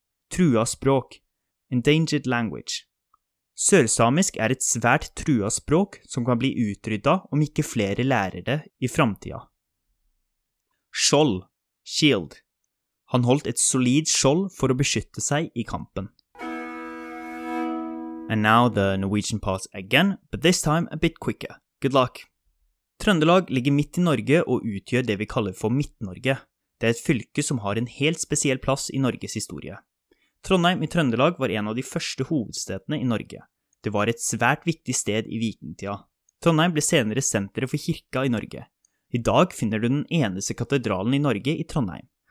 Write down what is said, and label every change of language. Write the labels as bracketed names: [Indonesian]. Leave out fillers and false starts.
[Norwegian] Trua språk, [English] endangered language. [Norwegian] Sørsamisk et svært trua språk som kan bli utrydda om ikke flere lærer det I fremtiden. Skjold, shield. Han holdt et solid skjold for å beskytte seg I kampen. [English] And now the Norwegian parts again, but this time a bit quicker. Good luck! [Norwegian] Trøndelag ligger midt I Norge og utgjør det vi kaller for Midt-Norge. Det et fylke som har en helt spesiell plass I Norges historie. Trondheim I Trøndelag var en av de første hovedstedene I Norge. Det var et svært viktig sted I vikingtida. Trondheim ble senere senteret for kirka I Norge. I dag finner du den eneste katedralen I Norge I Trondheim.